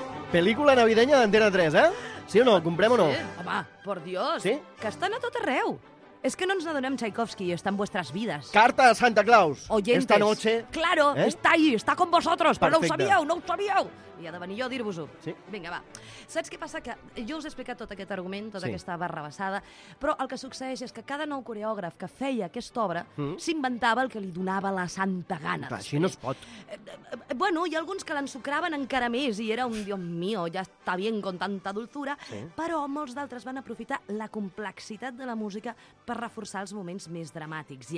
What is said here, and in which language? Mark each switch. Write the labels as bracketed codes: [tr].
[ca] Pel·lícula navideña d'Antena 3, eh? Sí o no? Comprem o no? [es] Sí, home, por Dios. Sí? [ca] Que estan a tot arreu. [es] Es que no nos adonem Tchaikovsky, está en vuestras vidas. Carta a Santa Claus. Oyentes. Esta noche. Claro, ¿eh? Está ahí, está con vosotros, [ca] perfecte. [es] Pero no lo sabíeu, no lo sabíeu. [ca] I ha de venir jo a dir-vos-ho. Sí. Vinga, va. Saps què passa? Que jo us he explicat tot aquest argument, tota aquesta barrabassada, però el que succeeix és que cada nou coreògraf que feia aquesta obra s'inventava el que li donava la santa gana. Clar, així no es pot. Bueno, hi ha alguns que l'ensucraven encara més i era un [es] Dios mío, [ca] ja està [es] bien con tanta dulzura, [ca] però molts d'altres van aprofitar la complexitat de la música per reforçar els moments més dramàtics.